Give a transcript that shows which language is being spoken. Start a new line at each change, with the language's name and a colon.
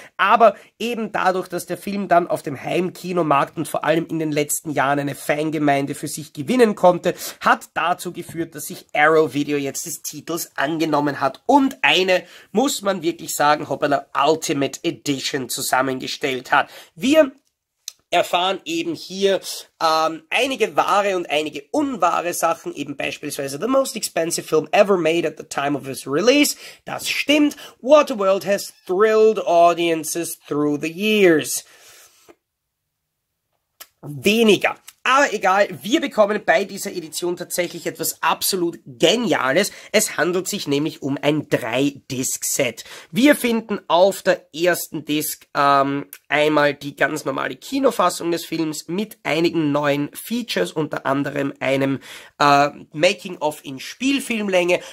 German: Aber eben dadurch, dass der Film dann auf dem Heimkinomarkt und vor allem in den letzten Jahren eine Fangemeinde für sich gewinnen konnte, hat dazu geführt, dass sich Arrow Video jetzt des Titels angenommen hat und eine, muss man wirklich sagen, hoppala, Ultimate Edition zusammengestellt hat. Wir erfahren eben hier einige wahre und einige unwahre Sachen, eben beispielsweise
English: the most expensive film ever made at the time of its release.
German: Das stimmt.
English: Waterworld has thrilled audiences through the years.
German: Weniger. Aber egal, wir bekommen bei dieser Edition tatsächlich etwas absolut Geniales. Es handelt sich nämlich um ein 3-Disc-Set. Wir finden auf der ersten Disc einmal die ganz normale Kinofassung des Films mit einigen neuen Features, unter anderem einem Making-of in Spielfilmlänge.